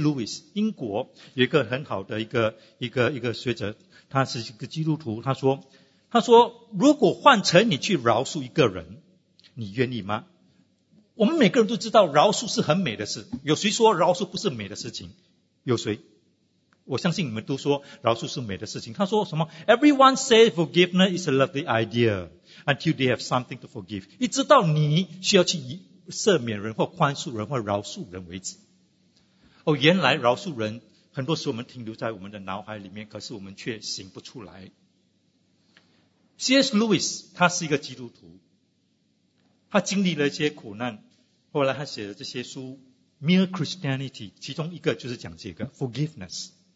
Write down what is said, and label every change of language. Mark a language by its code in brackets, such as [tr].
[zh] Lewis, 英国有一个很好的一个学者，他是一个基督徒，他说如果换成你去饶恕一个人，你愿意吗？我们每个人都知道饶恕是很美的事，有谁说饶恕不是美的事情？有谁？我相信你们都说饶恕是美的事情。他说什么 [en] ？Everyone says forgiveness is a lovely idea until they have something to forgive. [zh] 一直到你需要去赦免人或宽恕人或饶恕人为止。哦，原来饶恕人很多时候我们停留在我们的脑海里面，可是我们却行不出来。 [en] C.S. [zh] Lewis 他是一个基督徒。他经历了一些苦难，后来他写的这些书 Mere Christianity 其中一个就是讲这个 Forgiveness。